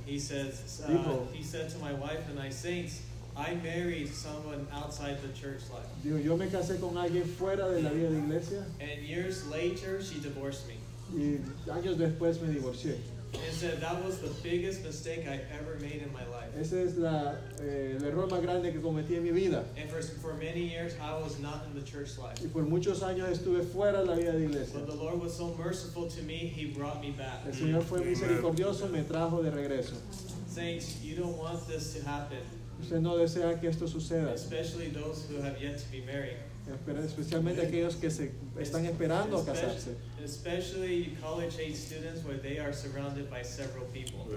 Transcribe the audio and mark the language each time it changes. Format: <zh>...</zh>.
<en>He says,</en> <es>dijo,</es> <en>he said to my wife and I, saints, I married someone outside the church life.</en> <es>Dijo, yo me casé con alguien fuera de la vida de iglesia.</es> <en>And years later, she divorced me.</en> <es>Y años después me divorcié.</es> <en>And said that was the biggest mistake I ever made in my life.</en> <es>Ese es la el error más grande que cometí en mi vida.</es> <en>And for many years I was not in the church life.</en> <es>Y por muchos años estuve fuera de la vida de iglesia.</es> <en>But the Lord was so merciful to me, He brought me back.</en> <es>El Señor fue misericordioso, me trajo de regreso.</es> <en>Saints, you don't want this to happen.</en> <es>Usted no desea que esto suceda.</es> <en>Especially those who have yet to be married.</en> <es>Especialmente aquellos que se están esperando a casarse.</es> <en>Especially college age students where they are surrounded by several people.</en>